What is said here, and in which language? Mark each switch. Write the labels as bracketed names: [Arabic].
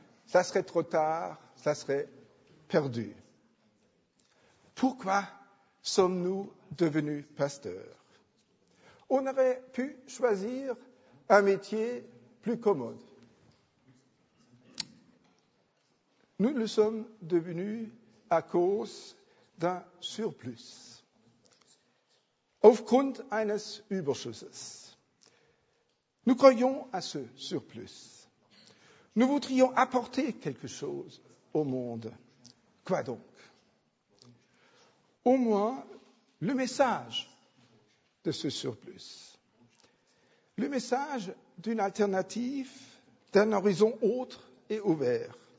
[French] ça serait trop tard, ça serait perdu. Pourquoi sommes-nous devenus pasteurs? On aurait pu choisir un métier plus commode. Nous le sommes devenus à cause d'un surplus. [German] Aufgrund eines Überschusses. [French] Nous croyons à ce surplus. Nous voudrions apporter quelque chose au monde. Quoi donc? Au moins, le message de ce surplus. Le message d'une alternative, d'un horizon autre et ouvert.